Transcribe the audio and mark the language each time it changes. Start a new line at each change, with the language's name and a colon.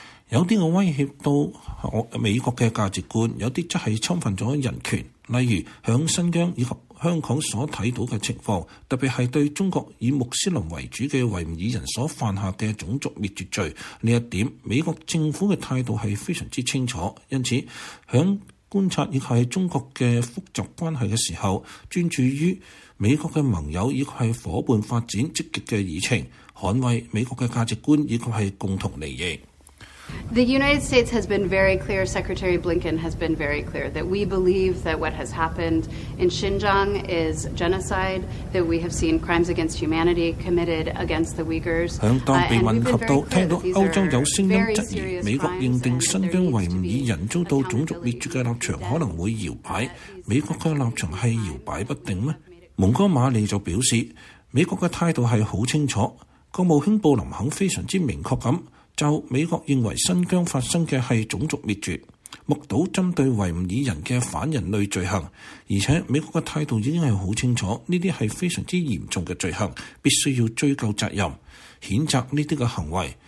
Chinese: 有些威胁到美国的价值观，有些则是侵犯了人权，例如在新疆以及香港所看到的情况，特别是对中国以穆斯林为主的维吾尔人所犯下的种族灭绝罪，这一点美国政府的态度是非常清楚。因此在观察以及中国的复杂关系的时候，专注于美国的盟友以及伙伴发展积极的议程，捍卫美国的价值观以及共同利益。
English: The United States has been very clear, Secretary Blinken has been very clear, that we believe that what has happened in Xinjiang is genocide, that we have seen crimes against humanity committed against the Uyghurs.
Chinese: 在当被问及到听到欧洲有声音质疑美国认定新疆维吾尔人遭到种族灭绝的立场可能会摇摆，美国的立场是摇摆不定吗？蒙哥马利就表示，美国的态度是很清楚，国务卿布林肯非常之明确地就美国认为新疆发生的是种族灭绝，目睹针对维吾尔人的反人类罪行，而且美国的态度已经是很清楚，这些是非常严重的罪行，必须要追究责任，谴责这些行为。